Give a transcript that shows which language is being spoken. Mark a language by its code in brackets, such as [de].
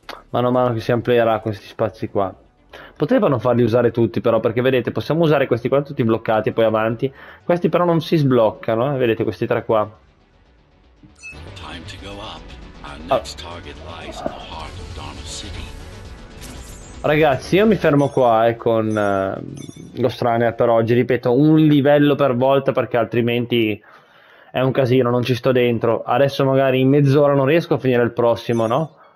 [it] Mano a mano che si amplierà questi spazi qua. Potevano farli usare tutti però, perché vedete, possiamo usare questi qua tutti bloccati e poi avanti. Questi però non si sbloccano, eh? Vedete questi tre qua. [en] Time to go up. Our next target lies in the heart of Dharma City. [it] Ragazzi, io mi fermo qua con Ghost Runner per oggi, ripeto, un livello per volta perché altrimenti è un casino, non ci sto dentro. Adesso magari in mezz'ora non riesco a finire il prossimo, no?